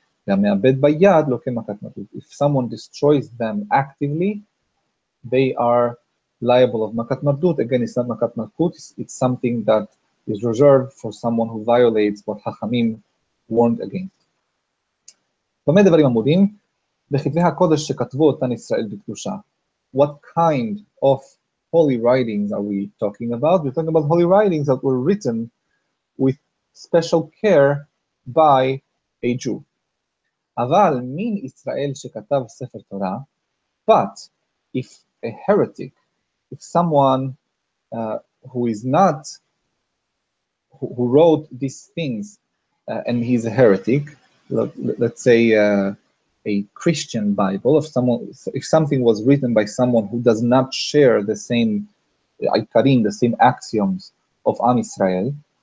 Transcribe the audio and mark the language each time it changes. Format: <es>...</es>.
<en>If someone destroys them actively, they are liable of makat mardut. Again, it's not makat malkut, it's something that is reserved for someone who violates what Hachamim warned against.</en> <he>בכתבי הקודש שכתבו אותן ישראל בקדושה.</he> <en>What kind of holy writings are we talking about? We're talking about holy writings that were written with special care by a Jew.</en> <he>אבל מין ישראל שכתב ספר תורה,</he> <en>but if a heretic, if someone who is not, who wrote these things, and he's a heretic, let's say a Christian Bible, if something was written by someone who does not share the same Ikarim, the same axioms of Am Israel,</en>